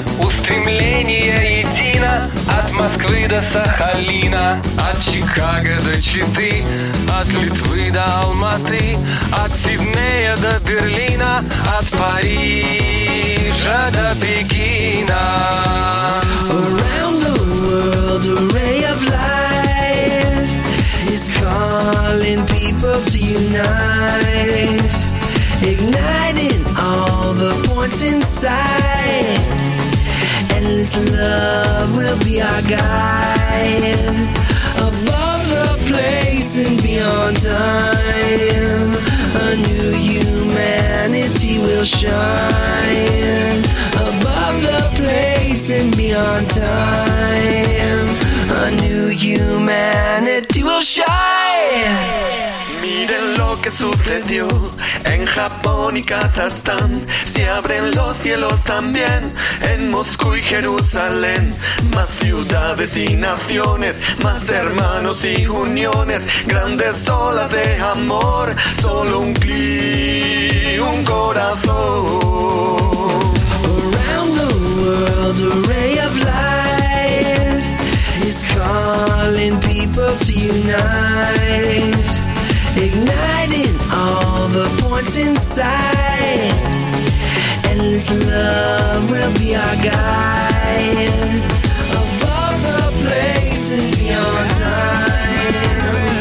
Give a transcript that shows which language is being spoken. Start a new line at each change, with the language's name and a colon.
Russian: Устремление едино от Москвы до Сахалина, от Чикаго до Читы, от Литвы до Алматы, от Сиднея до Берлина, от Парижа до Пекина.
English: Around the world, a ray of light is calling people to unite, igniting all the points inside. Endless love will be our guide, above the place and beyond time. A new humanity will shine, above the place and beyond time. A new humanity will shine.
Spanish: Mire lo que sucedió en Japón y Kazajstán. Se abren los cielos también en Moscú y Jerusalén. Más ciudades y naciones, más hermanos y uniones, grandes olas de amor, solo un clic, un corazón.
English: Around the world, a ray of light is calling people to unite, igniting all the points inside. Endless love will be our guide, above the place and beyond time.